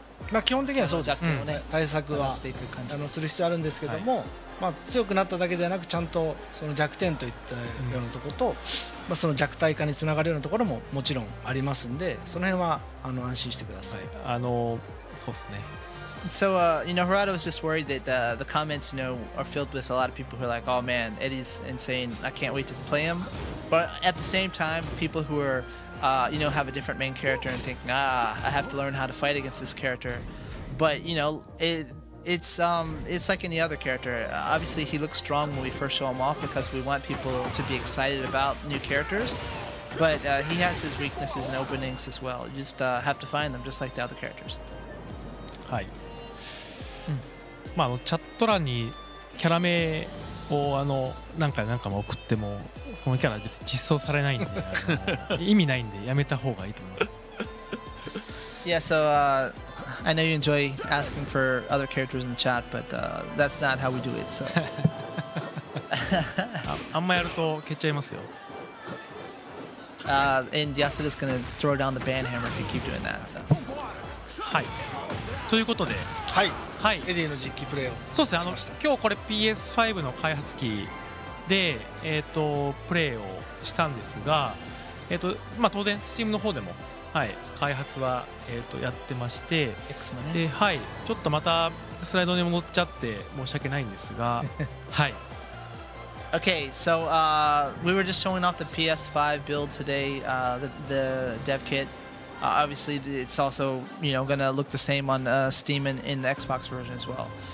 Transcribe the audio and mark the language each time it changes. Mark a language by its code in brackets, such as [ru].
[ja] まあ、基本的にはそうですね、対策はあのする必要あるんですけども、はい、まあ、強くなっただけではなくちゃんとその弱点といったようなところと、うん、まあ、その弱体化につながるようなところももちろんありますんで、その辺はあの安心してください、はい、あのそうですね。 [en] So, you know, Harada was just worried that the comments, you know, are filled with a lot of people who are like, oh man, Eddie's insane, I can't wait to play him. But at the same time, people who are, you know, have a different main character and thinking, ah, I have to learn how to fight against this character. But, you know, it's like any other character. Obviously, he looks strong when we first show him off because we want people to be excited about new characters. But he has his weaknesses and openings as well. You just have to find them, just like the other characters. Hi. [ja] まあ、あのチャット欄にキャラ名をあの何回何回も送ってもそのキャラ実装されないんで、あの意味ないんでやめた方がいいと思います。 [en] Yeah, so I know you enjoy asking for other characters in the chat, but that's not how we do it. So [ja] あんまやると蹴っちゃいますよ。 [en] And Yasuda's gonna throw down the ban hammer if you keep doing that. So [ja] はい。ということで、はい、はい、エディの実機プレイをそうですね、しました。あの今日これ PS5 の開発機で、プレイをしたんですが、まあ、当然 Steam の方でも、はい、開発は、やってまして、 X もね、で、はい、ちょっとまたスライドに戻っちゃって申し訳ないんですが、はい、 [en] Okay, so、we were just showing off the PS5 build today、the dev kit、obviously it's also you know, gonna look the same on、Steam and in the Xbox version as well.